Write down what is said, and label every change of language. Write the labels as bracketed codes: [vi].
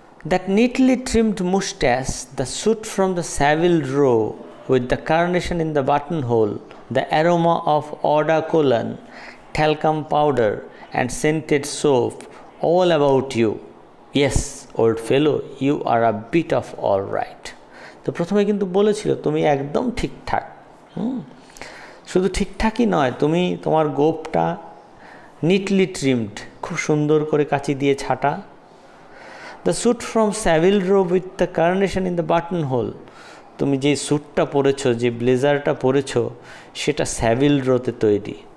[en] That neatly trimmed moustache, the suit from the Savile Row with the carnation in the buttonhole, the aroma of eau de cologne, talcum powder and scented soap, all about you, Yes, old fellow, you are a bit of all right. [bn] তো প্রথমে কিন্তু বলেছিল তুমি একদম ঠিকঠাক। শুধু ঠিকঠাকই নয়, তুমি তোমার গোপটা নিটলি ট্রিমড, খুব সুন্দর করে কাঁচি দিয়ে ছাটা। [en] the suit from Savile Row with the carnation in the buttonhole, [bn] তুমি যে স্যুটটা পরেছো, যে ব্লেজারটা পরেছো, সেটা স্যাভিল রোতে তৈরি।